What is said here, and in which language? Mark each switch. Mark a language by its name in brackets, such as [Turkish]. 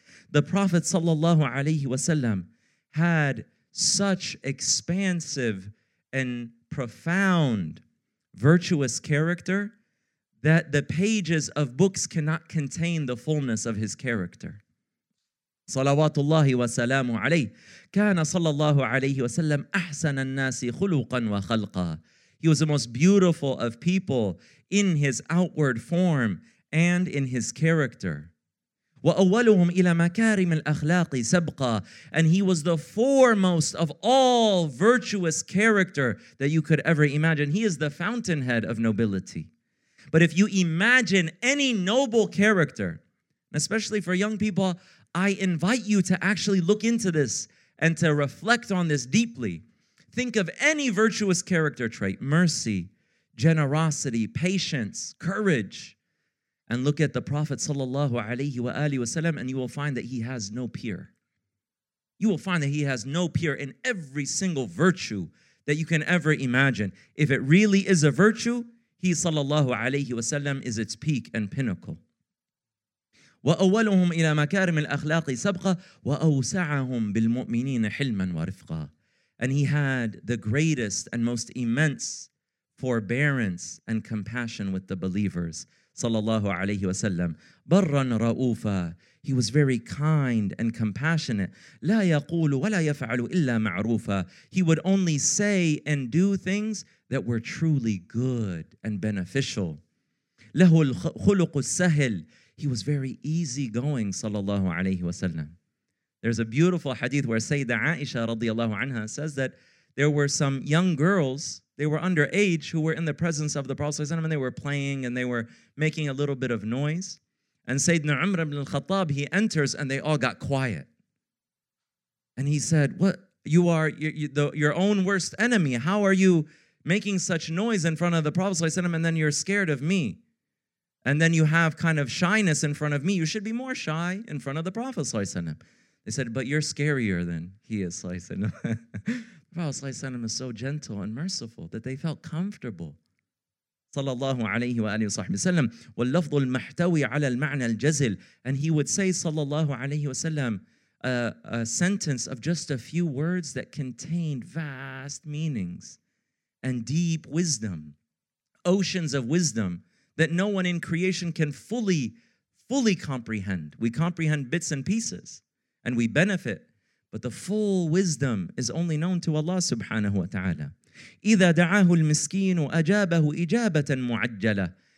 [English] The Prophet sallallahu alayhi wa sallam had such expansive and profound virtuous character that the pages of books cannot contain the fullness of his character. [Arabic] صلوات الله وسلامه عليه، كان صلى الله عليه وسلم أحسن الناس خلقا وخلقا. [English] He was the most beautiful of people in his outward form and in his character. [Arabic] وأولهم إلى مكارم الأخلاق سبقا. [English] And he was the foremost of all virtuous character that you could ever imagine. He is the fountainhead of nobility. But if you imagine any noble character, especially for young people, I invite you to actually look into this and to reflect on this deeply. Think of any virtuous character trait: mercy, generosity, patience, courage. And look at the Prophet sallallahu alayhi wa alihi wasallam, and you will find that he has no peer. You will find that he has no peer in every single virtue that you can ever imagine. If it really is a virtue, he sallallahu alayhi wasallam is its peak and pinnacle. [Arabic] وأولهم إلى مكارم الأخلاق سبقا وأوسعهم بالمؤمنين حلما ورفقا. [English] And he had the greatest and most immense forbearance and compassion with the believers, [Arabic] صلى الله عليه وسلم. برا رؤوفا. [English] He was very kind and compassionate. [Arabic] لا يقول ولا يفعل إلا معروفا. [English] He would only say and do things that were truly good and beneficial. [Arabic] له الخلق السهل. [English] He was very easygoing, sallallahu alayhi wa sallam. There's a beautiful hadith where Sayyidina Aisha radiallahu anha says that there were some young girls, they were underage, who were in the presence of the Prophet and they were playing and they were making a little bit of noise. And Sayyidina Umar ibn al-Khattab, he enters and they all got quiet. And he said, "What? You are your own worst enemy. How are you making such noise in front of the Prophet and then you're scared of me? And then you have kind of shyness in front of me. You should be more shy in front of the Prophet sallallahu alaihi wasallam." They said, "But you're scarier than he is sallallahu alaihi wasallam." The Prophet sallallahu alaihi wasallam is so gentle and merciful that they felt comfortable. Sallallahu alaihi wa alihi wasallam. [Arabic] واللفظ المحتوي على المعنى الجزل. [English] And he would say sallallahu alaihi wasallam a sentence of just a few words that contained vast meanings and deep wisdom, oceans of wisdom that no one in creation can fully comprehend. We comprehend bits and pieces, and we benefit. But the full wisdom is only known to Allah subhanahu wa ta'ala. [Arabic] إِذَا دَعَاهُ الْمِسْكِينُ أَجَابَهُ إِجَابَةً مُعَجَّلَةً.